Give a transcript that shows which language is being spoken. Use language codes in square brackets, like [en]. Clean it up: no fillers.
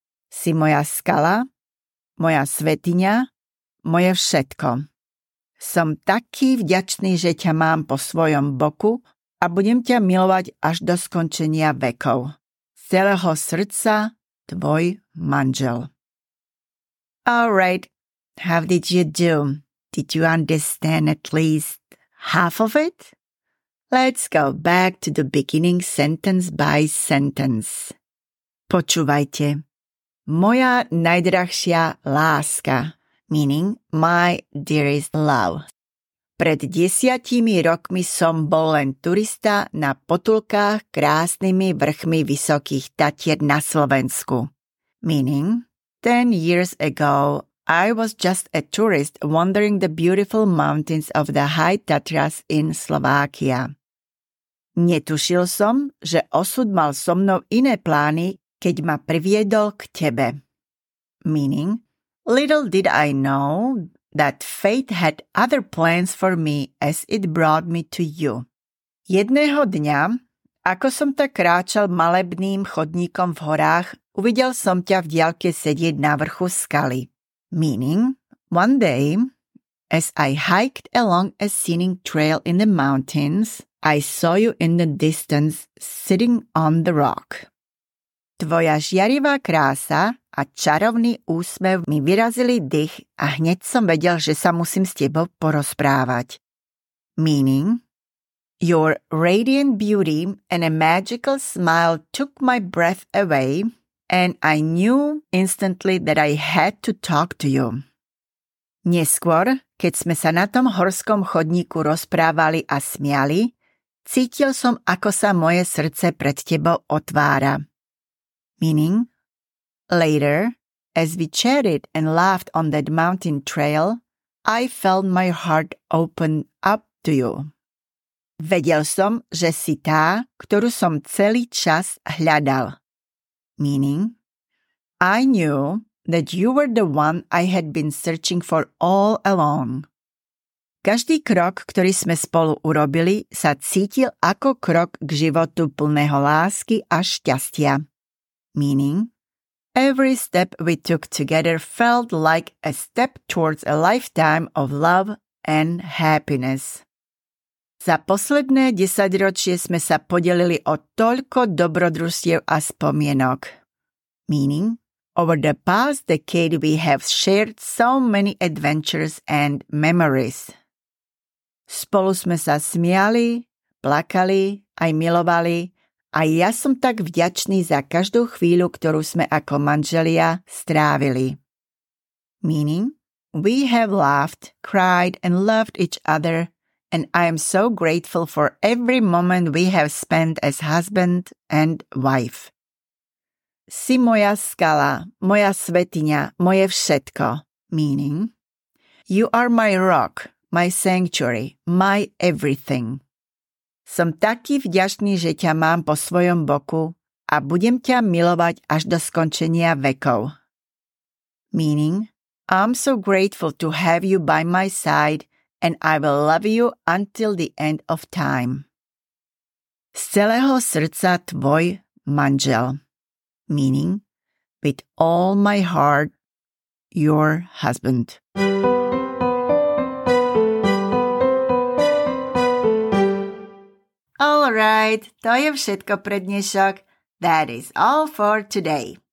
[sk] Si moja skala, moja svätyňa, moje všetko. Som taký vďačný, že ťa mám po svojom boku a budem ťa milovať až do skončenia vekov. Z celého srdca, tvoj manžel. [en] All right. How did you do? Did you understand at least half of it? Let's go back to the beginning sentence by sentence. [sk] Počúvajte. Moja najdrahšia láska, [en] meaning my dearest love. [sk] Pred 10 rokmi som bol len turista na potulkách krásnymi vrchmi Vysokých Tatier na Slovensku. [en] Meaning, 10 years ago, I was just a tourist wandering the beautiful mountains of the High Tatras in Slovakia. [sk] Netušil som, že osud mal so mnou iné plány, keď ma priviedol k tebe. [en] Meaning, little did I know that fate had other plans for me as it brought me to you. [sk] Jedného dňa, ako som tak kráčal malebným chodníkom v horách, uvidel som ťa v diaľke sedieť na vrchu skaly. [en] Meaning, one day, as I hiked along a scenic trail in the mountains, I saw you in the distance sitting on the rock. [sk] Tvoja žiarivá krása a čarovný úsmev mi vyrazili dých a hneď som vedel, že sa musím s tebou porozprávať. [en] Meaning, your radiant beauty and a magical smile took my breath away and I knew instantly that I had to talk to you. [sk] Neskôr, keď sme sa na tom horskom chodníku rozprávali a smiali, cítil som, ako sa moje srdce pred tebou otvára. [en] Meaning, later, as we chatted and laughed on that mountain trail, I felt my heart open up to you. [sk] Vedel som, že si tá, ktorú som celý čas hľadal. [en] Meaning, I knew that you were the one I had been searching for all along. [sk] Každý krok, ktorý sme spolu urobili, sa cítil ako krok k životu plného lásky a šťastia. [en] Meaning, every step we took together felt like a step towards a lifetime of love and happiness. [sk] Za posledné 10 rokov sme sa podelili o toľko dobrodružstiev a spomienok. [en] Meaning, over the past decade we have shared so many adventures and memories. [sk] Spolu sme sa smiali, plakali, aj milovali a ja som tak vďačný za každú chvíľu, ktorú sme ako manželia strávili. [en] Meaning, we have laughed, cried and loved each other and I am so grateful for every moment we have spent as husband and wife. [sk] Si moja skala, moja svätyňa, moje všetko. [en] Meaning, you are my rock, my sanctuary, my everything. [sk] Som taký vďačný, že ťa mám po svojom boku a budem ťa milovať až do skončenia vekov. [en] Meaning, I'm so grateful to have you by my side and I will love you until the end of time. [sk] Z celého srdca tvoj manžel. [en] Meaning, with all my heart, your husband. All right, [sk] to je všetko pre dnešok. [en] That is all for today.